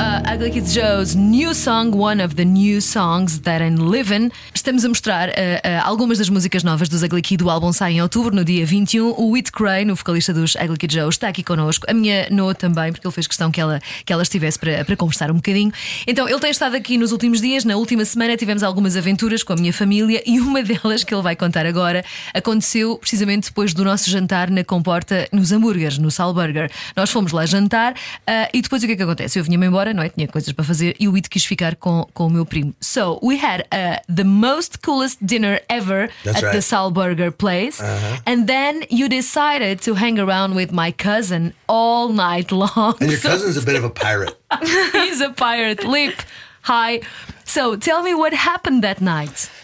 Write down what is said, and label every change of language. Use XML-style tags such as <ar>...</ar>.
<en>Ugly Kid Joe's new song, one of the new songs that I'm living.</en> <pt>Estamos a mostrar algumas das músicas novas dos Ugly Kid. O álbum sai em outubro, no dia 21. O Whit Crane, o vocalista dos Ugly Kid Joe, está aqui connosco. A minha Noah também, porque ele fez questão que ela estivesse para conversar um bocadinho. Então, ele tem estado aqui nos últimos dias. Na última semana tivemos algumas aventuras com a minha família e uma delas, que ele vai contar agora, aconteceu precisamente depois do nosso jantar na Comporta, nos hambúrgueres, no Sal Burger. Nós fomos lá jantar e depois o que é que acontece? Eu vinha-me embora, não é? Tinha coisas para fazer e o Whit quis ficar com o meu primo.</pt> <en>So, we had the most coolest dinner ever. That's at right. The Sal Burger place. Uh-huh. And then you decided to hang around with my cousin all night long. And your cousin's a bit of a pirate. He's a pirate. Leap. Hi. So, tell me what happened that night.</en>